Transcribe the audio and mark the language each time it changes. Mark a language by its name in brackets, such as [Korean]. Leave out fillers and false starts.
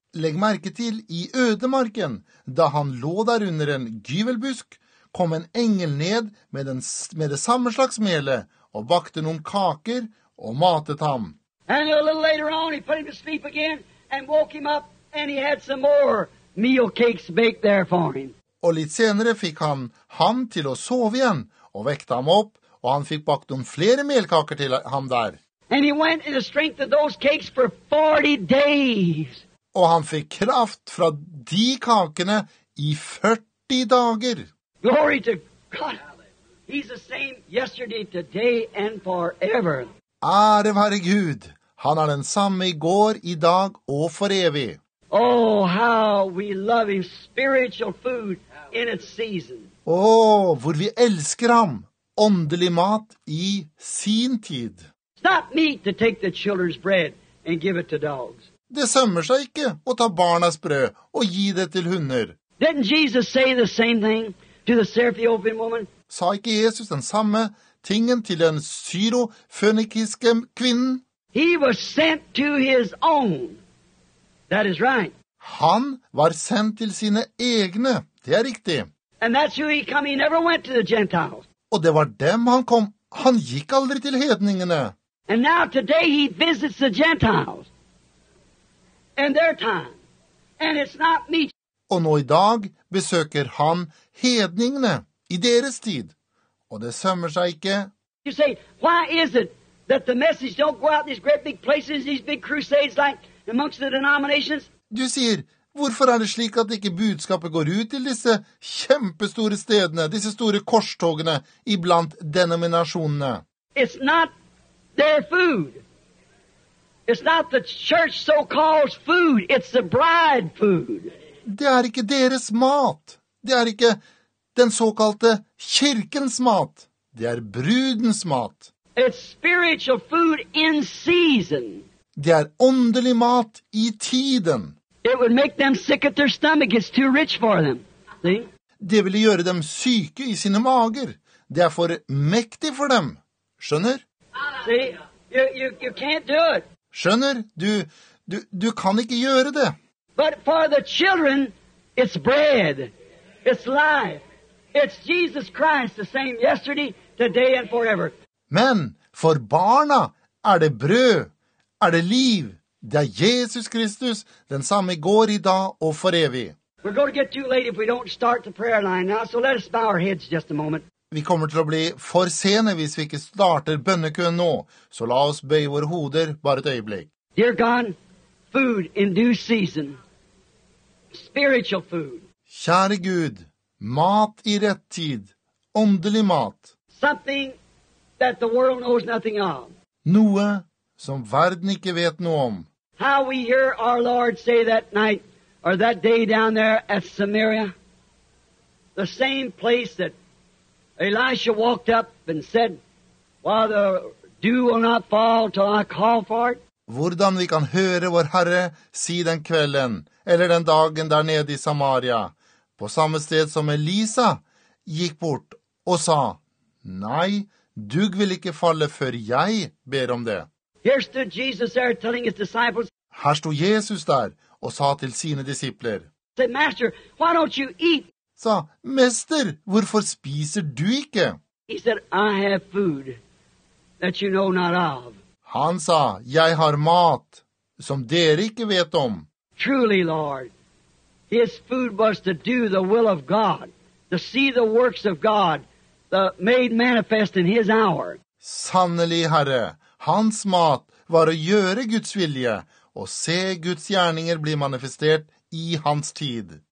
[Norwegian] Legg merke til i ødemarken, da han lå der under en gyvelbusk, kom en engel ned med, den, med det samme slags melet og bakte noen kaker og matet ham. [English] And a little later on he put him to sleep again and woke him up and he had some more meal cakes baked there for him. [Norwegian] Og litt senere fikk han ham til å sove igjen, og vekte ham opp, og han fikk bakt noen flere melkaker til ham der. Og han fikk kraft fra de kakene i 40 dager. [English] Glory to God. He's the same yesterday, today and forever. [Norwegian] Ære være Gud. Han den samme i går, i dag og for evig. [English] Oh, how we love his spiritual food. In its season. [Norwegian] Oh, hvor vi elsker ham, åndelig mat i sin tid. [English] It's not meat to take the children's bread and give it to dogs. [Norwegian] Det sømmer seg ikke å ta barnas brød og gi det til hunder. [English] Didn't Jesus say the same thing to the Syrophoenician woman? [Norwegian] Sa ikke Jesus den samme tingen til den syrofønikiske kvinnen? [English] He was sent to his own. That is right. [Norwegian] Han var sendt til sine egne. Det er riktig. [English] And that's who he come. He never went to the Gentiles. [Norwegian] Og det var dem han kom. Han gikk aldri til hedningene. [English] And now today he visits the Gentiles. In their time. And it's not me. [Norwegian] Og nå i dag besøker han hedningene i deres tid. Og det sømmer seg ikke. [English] You say, why is it that the message don't go out these great big places, these big crusades like amongst the denominations? [Norwegian] Du sier, hvorfor er det slik at ikke budskapet går ut til disse kjempestore stedene, disse store korstogene, iblant denominasjonene? [English] It's not their food. It's not the church so-called food. It's the bride food. [Norwegian] Det er ikke deres mat. Det er ikke den såkalte kirkens mat. Det er brudens mat. [English] It's spiritual food in season. [Norwegian] Det er åndelig mat i tiden. [English] It would make them sick at their stomach. It's too rich for them. See? [Norwegian] Det ville gjøre dem syke i sine mager. Det for mektig for dem. Skjønner? [English] See? You can't do it. [Norwegian] Skjønner? Du kan ikke gjøre det. [English] But for the children, it's bread. It's life. It's Jesus Christ, the same yesterday, today and forever. [Norwegian] Men for barna er det brød. Er det liv. Det Jesus Kristus, den samme i går, i dag og for evig. [English] We're going to get too late if we don't start the prayer line now, so let us bow our heads just a moment. [Norwegian] Vi kommer til å bli for sene hvis vi ikke starter bønnekøen nå, så la oss bøye våre hoder bare et øyeblikk. [English] Dear God, food in due season. Spiritual food. [Norwegian] Kjære Gud, mat i rett tid. Åndelig mat. [English] Something that the world knows nothing of. [Norwegian] Noe som verden ikke vet noe om. [English] How we hear our Lord say that night, or that day down there at Samaria, the same place that Elisha walked up and said, while the dew will not fall till I call for it. [Norwegian] Hvordan vi kan høre vår Herre si den kvelden, eller den dagen der nede i Samaria, på samme sted som Elisa gikk bort og sa, nei, dugg vil ikke falle før jeg ber om det. [English] Here stood Jesus there telling his disciples. [Norwegian] Her stod Jesus der og sa til sine disipler. [English] Said, Master, why don't you eat? [Norwegian] Sa, Mester, hvorfor spiser du ikke? [English] He said, I have food that you know not of. [Norwegian] Han sa, jeg har mat som dere ikke vet om. [English] Truly, Lord, his food was to do the will of God, to see the works of God, the made manifest in his hour. [Norwegian] Sannelig, Herre. Hans mat var å gjøre Guds vilje, og se Guds gjerninger bli manifestert i hans tid.